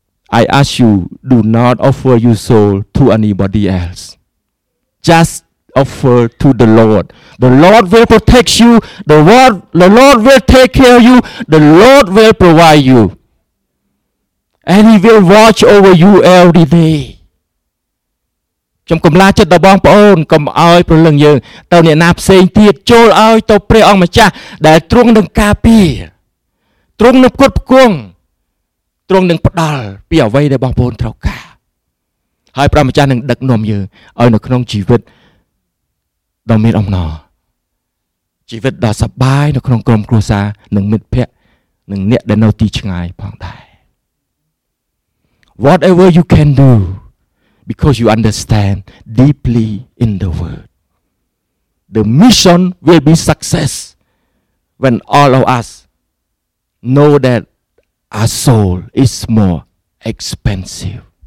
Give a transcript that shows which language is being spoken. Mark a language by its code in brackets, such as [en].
[en] I ask you, do not offer your soul to anybody else. Just offer to the Lord. The Lord will protect you. The Lord will take care of you. The Lord will provide you. And he will watch over you every day. [km] ខ្ញុំកំឡាចិត្តដល់បងប្អូនកុំឲ្យព្រលឹងយើងទៅអ្នកណាផ្សេងទៀតចូលឲ្យទៅព្រះអង្គម្ចាស់ដែលទ្រង់នឹងការពារទ្រង់នឹងគត់ផ្គង់ទ្រង់នឹងផ្ដល់ពីអ្វីដែលបងប្អូនត្រូវការហើយព្រះម្ចាស់នឹងដឹកនាំយើងឲ្យនៅក្នុងជីវិត ដ៏មានអំណរជីវិតដ៏សប្បាយនៅក្នុងក្រុមគ្រួសារនិងមិត្តភ័ក្តិនិងអ្នកដែលនៅទីឆ្ងាយផងដែរ [en] Whatever you can doBecause you understand deeply in the word. The mission will be success when all of us know that our soul is more expensive.